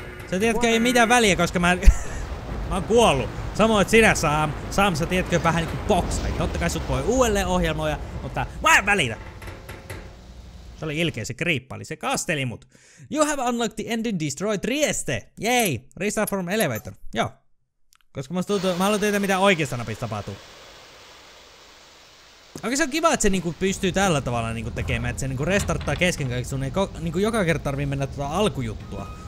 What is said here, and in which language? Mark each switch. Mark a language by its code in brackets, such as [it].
[fi] Sä tiedätkö, ei mitään väliä, koska mä... mä oon kuollu. Samoin, että sinä, Sam, sä tiedätkö, vähän niinku boksai. Totta kai sut voi uudelleen ohjelmoida, mutta mä en välitä! Se oli ilkeä, se kriippali, se kasteli mut. [en] You have unlocked the ending, destroy Trieste. Yay! Restart from elevator. Joo. [fi] Koska musta tuntuu, mä haluan tietää, mitä oikeasta napista tapahtuu. Okei, se on kiva, että se niinku pystyy tällä tavalla niinku tekemään, että se niinku restarttaa kesken kaikki sun. Ei niinku joka kerta tarvii mennä tuota alkujuttua.